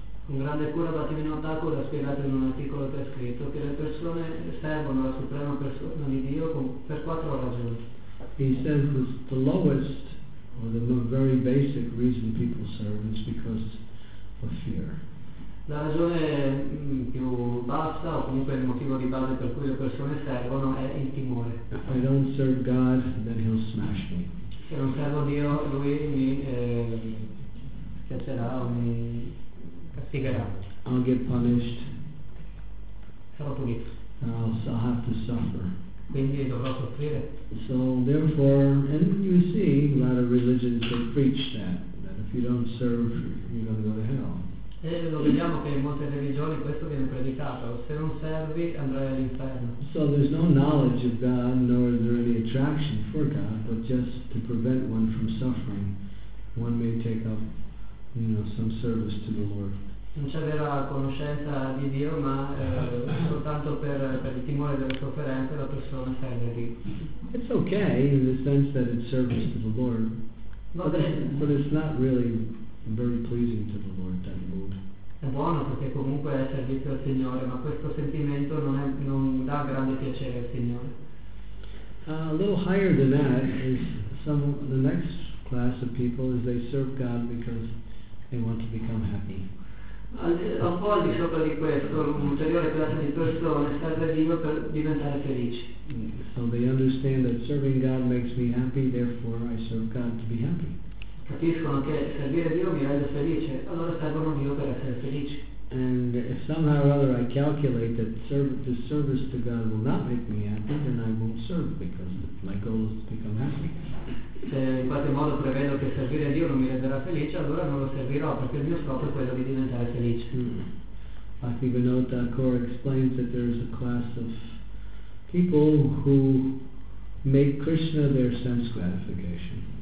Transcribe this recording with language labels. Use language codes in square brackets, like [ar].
[it] Un grande cura Bhaktivinoda Thakur ha spiegato in un articolo che ha scritto che le persone servono la Suprema Persona di Dio per quattro ragioni. [en] He says the lowest or the very basic reason people serve is because of fear. [it] La ragione più bassa o comunque il motivo di base per cui le persone servono è il timore. [en] If I don't serve God, then he'll smash me. [it] Se non servo Dio, lui mi schiaccerà o mi castigherà. [en] I'll get punished. [it] Sarò punito. [en] And I'll have to suffer. [it] Quindi dovrò soffrire. [en] So therefore, and you see, a lot of religions that preach that if you don't serve, you're going to go to hell. [it] E lo vediamo che in molte religioni questo viene predicato: se non servi, andrai all'inferno. [en] So there's no knowledge of God, nor is there any attraction for God, but just to prevent one from suffering, one may take up, you know, some service to the Lord. [it] Non c'è vera conoscenza di Dio, ma soltanto per il timore della sofferenza la persona serve Dio. [en] It's okay in the sense that it's service to the Lord, but it's not really very pleasing to the Lord, that mood. [it] È buono perché comunque è servizio al Signore, ma questo sentimento non dà grande piacere al Signore. [en] A little higher than that is some the next class of people is they serve God because they want to become happy. [it] Un po' al di sopra di questo, un'ulteriore classe di persone serve Dio per diventare felici. [en] So they understand that serving God makes me happy, therefore I serve God to be happy. [it] Capiscono che servire Dio mi rende felice, allora servono Dio per essere felici. [en] And if somehow or other I calculate that the service to God will not make me happy, then I won't serve because my goal is to become happy. [it] Se in qualche modo prevedo che servire a Dio non mi renderà felice, allora non lo servirò perché il mio scopo è quello di diventare felice. [en] Bhaktivinoda Thakur explains that there is a class of people who make Krishna their sense gratification.